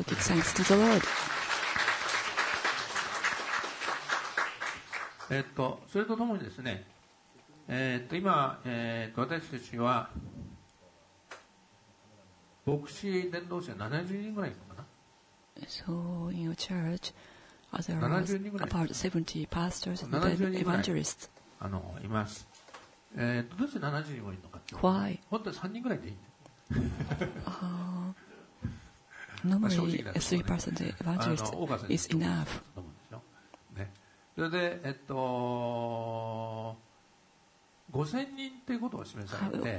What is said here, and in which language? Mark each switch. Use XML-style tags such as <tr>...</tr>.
<en>So give thanks to the Lord.</en> <ja>それとともにですね、今、私たちは牧師伝道者70人ぐらいいるのかな。</ja> <en>So in your church are there about 70 pastors and evangelists?</en> <ja>あの、います。どうして70人もいるのか。</ja> <en>Why?</en> <ja>本当は3人ぐらいでいいんだ。</ja> <en>Normally, a three-person evangelist is enough.</en> <ja>ね、それで、5000人ということを示されて、</ja>